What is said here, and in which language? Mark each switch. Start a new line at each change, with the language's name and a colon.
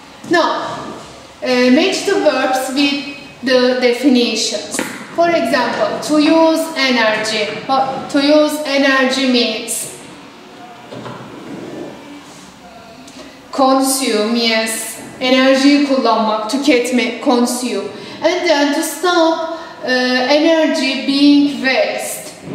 English: Now, match the verbs with the definitions. For example, to use energy. To use energy means consume, yes.
Turkish: Enerjiyi kullanmak, tüketmek, consume.
English: And then to stop energy being waste.